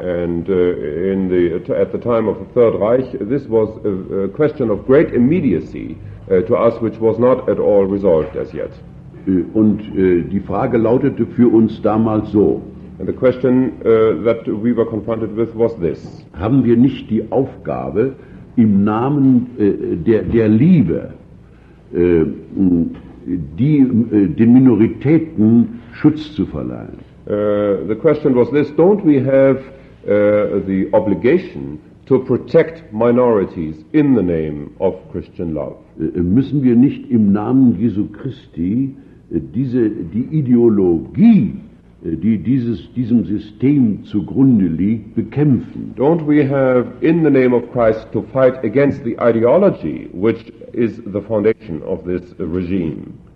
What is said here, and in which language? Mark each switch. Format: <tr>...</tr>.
<en>And at the time of the Third Reich this was a question of great immediacy to us which was not at all resolved as yet.</en> <de>Und die Frage lautete für uns damals so.</de> <en>And the question that we were confronted with was this.</en> <de>Haben wir nicht die Aufgabe, im Namen der Liebe, den Minoritäten Schutz zu verleihen?</de> <en>The question was this. Don't we have the obligation to protect minorities in the name of Christian love?</en> <de>Müssen wir nicht im Namen Jesu Christi die Ideologie, die diesem System zugrunde liegt, bekämpfen?</de> <en>Don't we have in the name of Christ to fight against the ideology which is the foundation of this regime?</en>